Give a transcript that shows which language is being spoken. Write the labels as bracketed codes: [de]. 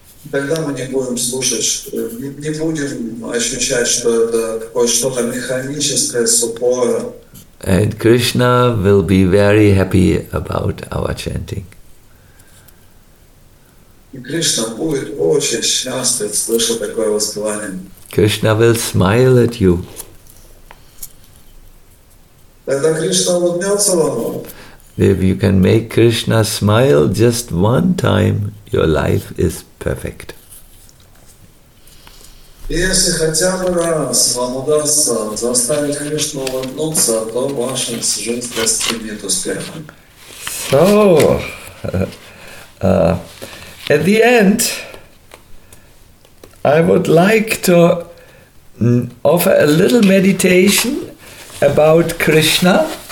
[ru] Тогда мы не будем слушать, не будем ощущать, что это какое что-то механическое, сухое. [en] And Krishna will be very happy about our chanting. [ru] И Кришна будет очень счастлив, слыша такое воспевание. [en] Krishna will smile at you. [ru] Тогда Кришна улыбнется вам. [en] If you can make Krishna smile just one time, your life is perfect. So, at the end, I would like to offer a little meditation about Krishna.